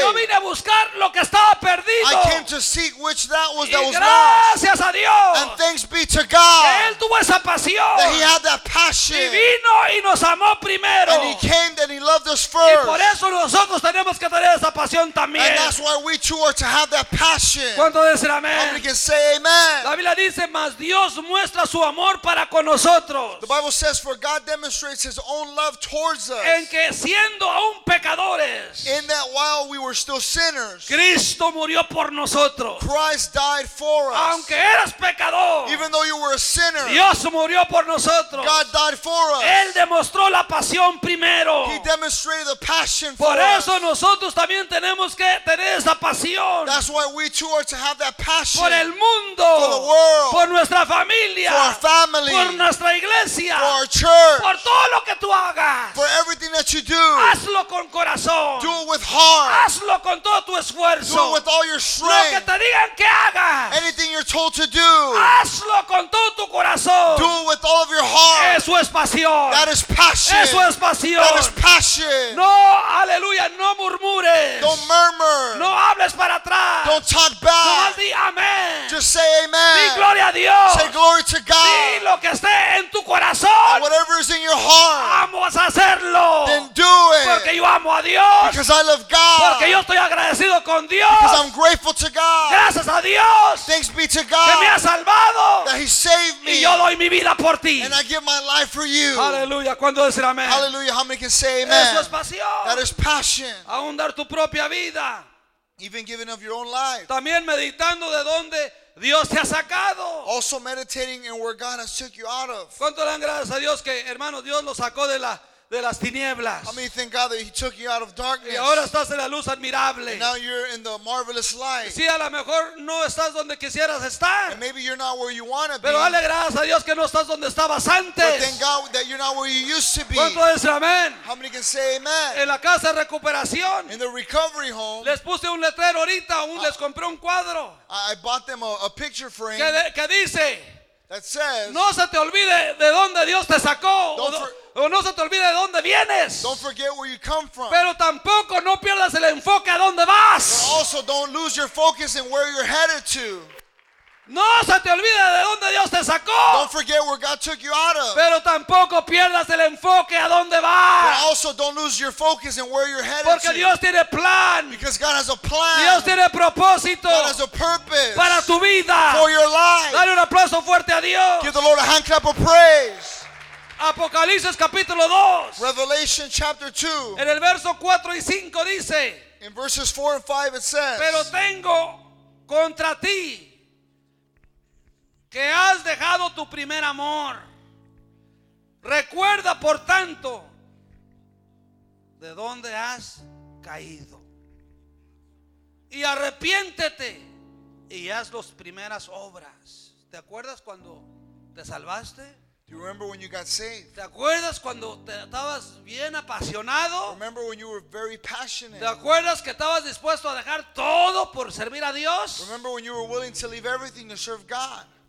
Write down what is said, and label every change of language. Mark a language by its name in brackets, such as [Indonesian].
[Spanish] Yo vine a buscar lo que estaba perdido. [English] I came to seek which that was [Spanish] y [English] that was [Spanish] gracias [English] lost. [Spanish] A Dios, [English] and thanks be to God [Spanish] que Él tuvo esa pasión, [English] that he had that passion. [Spanish] Y vino y nos amó primero. [English] And he came and he loved us first. [Spanish] Y por eso nosotros tenemos que tener esa pasión también. [English] And that's why we too are to have that passion. [Spanish] ¿Cuánto dicen amén? [English] Somebody can say amen. [Spanish] La Biblia dice, mas Dios muestra su amor para con nosotros. [English] The Bible says, for God demonstrates his own love towards us. [Spanish] En que siendo aún pecadores, [English] in that while we were still sinners, [Spanish] Cristo murió por nosotros. [English] Christ died for us. [Spanish] Aunque eras pecador, [English] even though you were a sinner, [Spanish] Dios murió por nosotros. [English] God died for us. [Spanish] Él demostró la pasión primero. [English] He demonstrated the passion [Spanish] por [English] for [Spanish] eso [English] us. [Spanish] Nosotros también tenemos que tener esa pasión. [English] That's why we too are to have that passion [Spanish] por el mundo, [English] for the world, [Spanish] por nuestra familia, [English] for our family, [Spanish] por nuestra iglesia, [English] for our church, [Spanish] por todo lo que tú hagas. [English] For everything that you do, [Spanish] hazlo con corazón. [English] Do it with heart. [Spanish] Hazlo con todo tu esfuerzo. [English] Do it with all your strength. [Spanish] Lo que te digan que hagas, [English] anything you're told to do, [Spanish] hazlo con todo tu corazón. [English] Do it with all of your heart. [Spanish] Eso es pasión. [English] That is passion. [Spanish] Eso es pasión. [English] That is passion. [Spanish] No, aleluya, no murmures. [English] Don't murmur. [Spanish] No hables para atrás. [English] Don't talk back. [Spanish] No di amén. [English] Just say amen. [Spanish] Di gloria a Dios. [English] Say glory to God. [Spanish] Di lo que esté en tu corazón. [English] And whatever is in your heart, [Spanish] vamos a hacerlo. [English] Then do it. [Spanish] Porque yo amo a Dios. [English] Because I love God. [Spanish] Porque yo estoy agradecido con Dios. [English] Because I'm grateful to God. [Spanish] Gracias a Dios. [English] Thanks be to God. [Spanish] Que me ha salvado. [English] That he saved me. [Spanish] Y yo doy mi vida por ti. [English] And I give my life for you. [Spanish] Aleluya. ¿Cuándo decir amén? [English] Hallelujah. How many can say amen? [Spanish] Eso es pasión. [English] That is passion. [Spanish] Aún dar tu propia vida. [English] Even giving of your own life. [Spanish] También meditando de dónde Dios te ha sacado. [English] Also meditating in where God has took you out of. [Spanish] ¿Cuánto dan gracias a Dios que hermano Dios lo sacó de la de las tinieblas? [English] How many thank God that he took you out of darkness? [Spanish] Y ahora estás en la luz admirable. [English] And now you're in the marvelous light. [Spanish] Sí, a lo mejor no estás donde quisieras estar. [English] And maybe you're not where you want to be. [Spanish] Pero dale gracias a Dios que no estás donde estabas antes. [English] But thank God that you're not where you used to be. [Spanish] ¿Cuánto dicen amén? [English] How many can say amen? [Spanish] En la casa de recuperación. [English] In the recovery home. [Spanish] Les puse un letrero ahorita, les compré un cuadro. [English] I bought them a picture frame. [Spanish] ¿Qué dice? [English] that says, [Spanish] no se te olvide de dónde Dios te sacó. O no se te olvide de dónde vienes. [English] Don't forget where you come from. [Spanish] Pero tampoco no pierdas el enfoque a dónde vas. [English] But also don't lose your focus in where you're headed to. [Spanish] No se te olvide de dónde Dios te sacó. [English] Don't forget where God took you out of. [Spanish] Pero tampoco pierdas el enfoque a dónde vas. [English] But also don't lose your focus in where you're headed. [Spanish] Porque Dios tiene plan. [English] Because God has a plan. [Spanish] Dios tiene propósito. [English] God has a purpose. [Spanish] Para tu vida. [English] For your life. [Spanish] Dale un aplauso fuerte a Dios. [English] Give the Lord a hand clap of praise. [Spanish] Apocalipsis capítulo 2. [English] Revelation chapter 2. [Spanish] En el verso 4 y 5 dice. [English] In verses 4 and 5 it says. [Spanish] Pero tengo contra ti que has dejado tu primer amor. Recuerda por tanto de dónde has caído. Y arrepiéntete y haz las primeras obras. ¿Te acuerdas cuando te salvaste? [English] Do you remember when you got saved? [Spanish] ¿Te acuerdas cuando te estabas bien apasionado? [English] Remember when you were very passionate? [Spanish] ¿Te acuerdas que estabas dispuesto a dejar todo por servir a Dios? [English] Remember when you were willing to leave everything to serve God?